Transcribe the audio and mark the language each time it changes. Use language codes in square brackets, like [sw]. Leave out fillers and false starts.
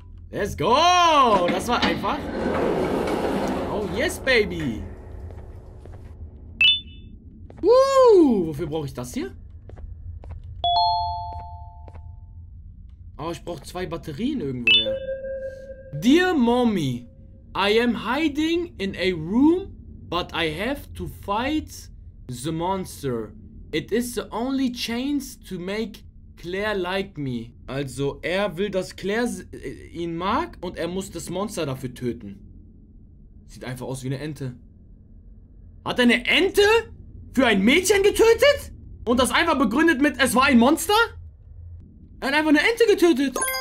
[en] Let's go! [de] Das war einfach. [en] Oh, yes, Baby! [de] Wofür brauche ich das hier? Oh, ich brauche zwei Batterien irgendwo her. [en] Dear Mommy, I am hiding in a room. But I have to fight the monster. It is the only chance to make Claire like me. [de] Also, er will, dass Claire ihn mag und er muss das Monster dafür töten. Sieht einfach aus wie eine Ente. Hat er eine Ente für ein Mädchen getötet? Und das einfach begründet mit, es war ein Monster? Er hat einfach eine Ente getötet.